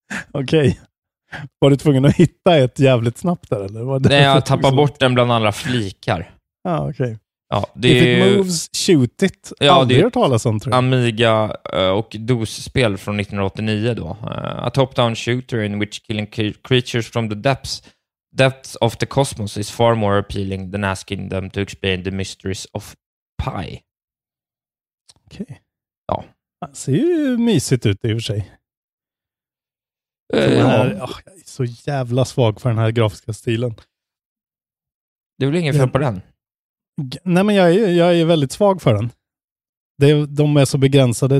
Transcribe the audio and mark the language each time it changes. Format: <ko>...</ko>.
<sv>Okej. Okay. Var du tvungen att hitta ett jävligt snabbt där? Eller? Var det nej, jag tappar bort den bland alla flikar. Ja, ah, okej. Okay. Ja, det</sv> <en>if it moves, shoot it.</en> <sv>Ja, aldrig hört talas om, tror jag. Amiga och DOS-spel från 1989 då.</sv> <en>A top-down shooter in which killing creatures from the depths of the cosmos is far more appealing than asking them to explain the mysteries of pi.</en> <sv>Okej. Okay. Ja. Det ser ju mysigt ut i och för sig. Jag är så jävla svag för den här grafiska stilen. Det blir ingen fel på den. Nej, men jag är väldigt svag för den. De är så begränsade.</sv>